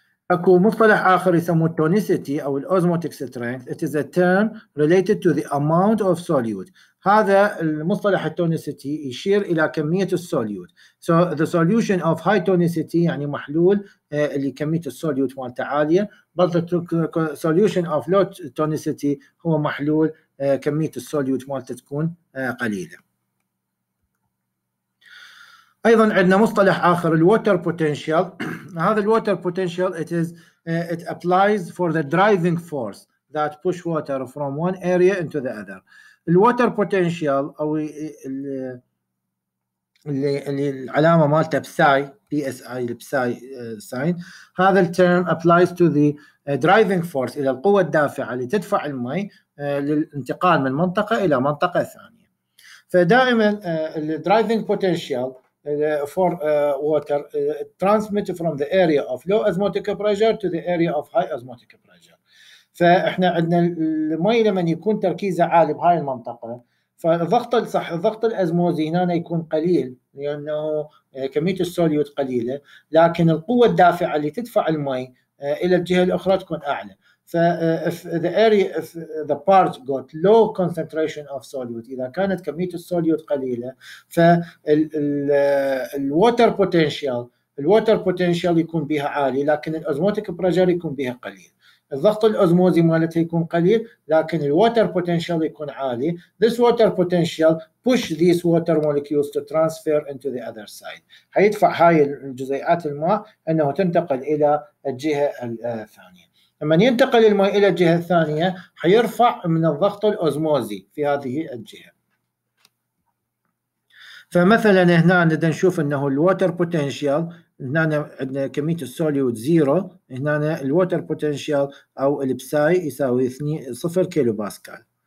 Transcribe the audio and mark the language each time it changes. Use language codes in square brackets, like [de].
[ar] أكو مصطلح آخر يسموه tonicity أو osmotic strength. [en] It is a term related to the amount of solute. [ar] هذا المصطلح tonicity يشير إلى كمية السوليوت. So the solution of high tonicity يعني محلول اللي كمية السوليوت مالته عالية. But the solution of low tonicity هو محلول كمية السوليوت مالته تكون قليلة. ايضا عندنا مصطلح اخر الووتر بوتنشال. [en] هذا الووتر potential it is it applies for the driving force that push water from one area into the other. [ar] الووتر بوتنشال او اللي العلامه مالته بساي بي اس اي بساي ساين. هذا التيرم applies to the driving force الى القوه الدافعه اللي تدفع الماء للانتقال من منطقه الى منطقه ثانيه. [en] فدائما الدرايفنج potential for water transmitted from the area of low osmotic pressure to the area of high osmotic pressure. [ar] فاحنا عندنا الماء لما يكون تركيزه عالي بهاي المنطقه فالضغط صح الضغط الازموزي هنا يكون قليل لانه كميه السوليوت قليله لكن القوه الدافعه اللي تدفع الماء الى الجهه الاخرى تكون اعلى. ف if the area if the part got low concentration of solute اذا كانت كميه السوليوت قليله فالووتر بوتنشال يكون بها عالي لكن الاوزموتيك بريشر يكون بها قليل. الضغط الاوزموزي مالتها يكون قليل لكن الووتر بوتنشال يكون عالي. [en] This water potential push these water molecules to transfer into the other side. [ar] هيدفع هاي الجزيئات الماء انه تنتقل الى الجهه الثانيه. لما ينتقل الماء إلى الجهة الثانية حيرفع من الضغط الأوزموزي في هذه الجهة. فمثلاً هنا نقدر نشوف أنه الووتر بوتنشال هنا عندنا كمية السوليوت زيرو هنا الووتر بوتنشال أو البساي يساوي 0 كيلو باسكال.